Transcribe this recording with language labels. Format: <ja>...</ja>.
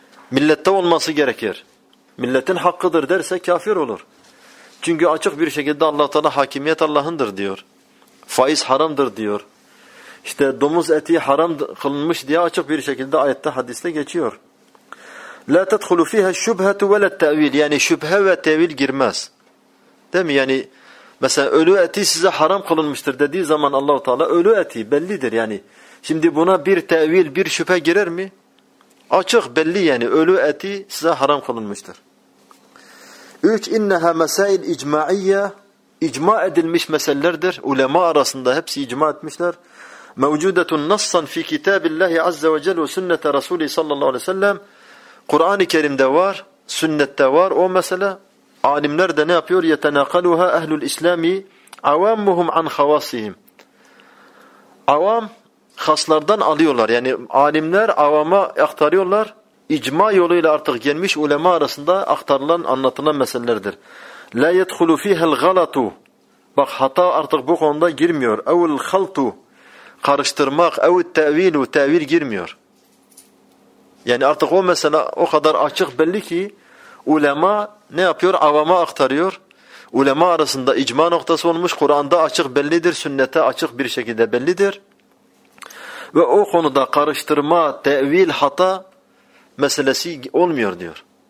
<tr>Millette olması gerekir. Milletin hakkıdır derse kafir olur. Çünkü açık bir şekilde Allah-u Teala hakimiyet Allah'ındır diyor. Faiz haramdır diyor. İşte domuz eti haram kılınmış diye açık bir şekilde ayette hadiste geçiyor.</tr> <ar>لَا تَدْخُلُ فِيهَا الشُّبْهَةُ وَلَا التَّعْوِيلِ</ar> <tr>Yani şüphe ve tevil girmez. Değil mi? Yani mesela ölü eti size haram kılınmıştır dediği zaman Allah-u Teala ölü eti bellidir yani. Şimdi buna bir tevil, bir şüphe girer mi? Açık belli yani ölü eti size haram kılınmıştır. Üç,</tr> <ar>اِنَّهَا مَسَائِلْ اِجْمَعِيَّ</ar> <tr>İcma edilmiş meselelerdir. Ulema arasında hepsi icma etmişler.</tr> <ar>مَوْجُودَةٌ نَصًّا فِي كِتَابِ اللّٰهِ عَزَّ وَجَلُ وَسُنَّةَ رَسُولِهِ صَلَّى اللّٰهُ عَلَيْهِ وَسَلَّمْ</ar> <tr>Kur'an-ı Kerim'de var, sünnette var o mesele. Alimler de ne yapıyor?</tr> <ar>يَتَنَاقَلُهَا اَهْلُ الْاِسْلَامِ عَوَامُهُمْ عَنْ خَوَاسِهِمْ</ar> <tr>Avam, haslardan alıyorlar. Yani alimler avama aktarıyorlar. İcma yoluyla artık gelmiş ulema arasında aktarılan, anlatılan meselelerdir.</tr> <ar>لَا يَدْخُلُ فِيهَا الْغَلَطُ</ar> <tr>Bak hata artık bu konuda girmiyor.</tr> <ar>اَوْ الْخَلْطُ</ar> <tr>Karıştırmak,</tr> <ar>اَوْ التَّعْوِيلُ</ar> <tr>Tevil girmiyor. Yani artık o mesele o kadar açık belli ki ulema ne yapıyor? Avama aktarıyor. Ulema arasında icma noktası olmuş. Kur'an'da açık bellidir. Sünnete açık bir şekilde bellidir. Ve o konuda karıştırma, tevil, hata meselesi olmuyor diyor.</tr>